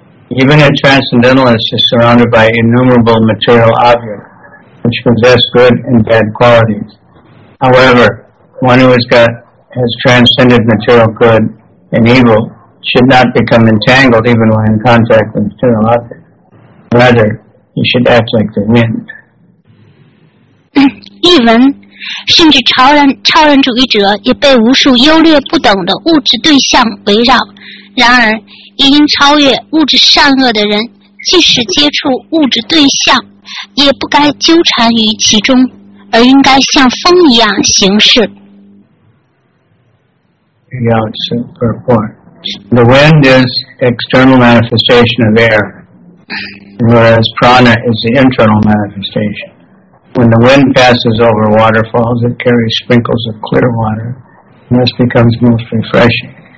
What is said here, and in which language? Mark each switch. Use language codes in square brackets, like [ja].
[en] Even a transcendentalist is surrounded by innumerable material objects which possess good and bad qualities. However, one who has transcended material good and evil should not become entangled even when in contact with material objects. Rather, he should act like the wind. Even, [zh] 甚至超人主义者也被无数优劣不等的物质对象围绕。然而，也应超越物质善恶的人，即使接触物质对象，也不该纠缠于其中，而应该像风一样行事。要是 purport [en] The wind is the external manifestation of air, whereas prana is the internal manifestation. When the wind passes over waterfalls, it carries sprinkles of clear water, and this becomes most refreshing.